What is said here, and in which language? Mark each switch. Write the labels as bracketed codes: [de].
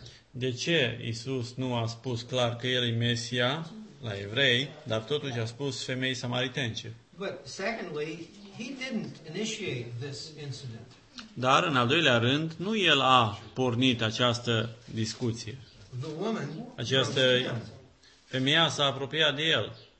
[ro] De ce Iisus nu a spus clar că el e Mesia la evrei, dar totuși a spus femeii samaritene? [en] But secondly, he didn't initiate this incident. [ro] Dar, în al doilea rând, nu el a pornit această discuție. Această femeia s-a apropiat de el.